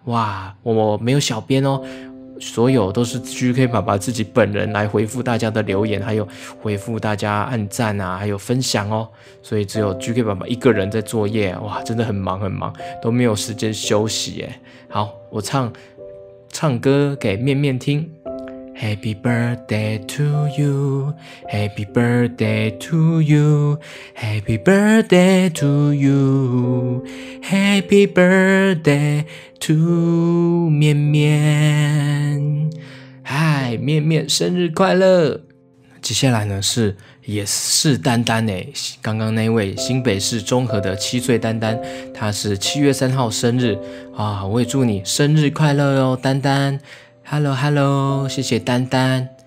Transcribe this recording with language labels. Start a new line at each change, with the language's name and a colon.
Chinese: 哇，我没有小编哦，所有都是 GK 爸爸自己本人来回复大家的留言，还有回复大家按赞啊，还有分享哦，所以只有 GK 爸爸一个人在作业，哇，真的很忙很忙，都没有时间休息耶。好，我唱歌给面面听。
English: Happy birthday to you, Happy birthday to you, Happy birthday to you, Happy birthday to 面面。
Chinese: 嗨，面面生日快乐。接下来呢，是也是丹丹耶，刚刚那位新北市中和的七岁丹丹，他是7月3号生日啊，我也祝你生日快乐哦，丹丹。 Hello 谢谢丹丹。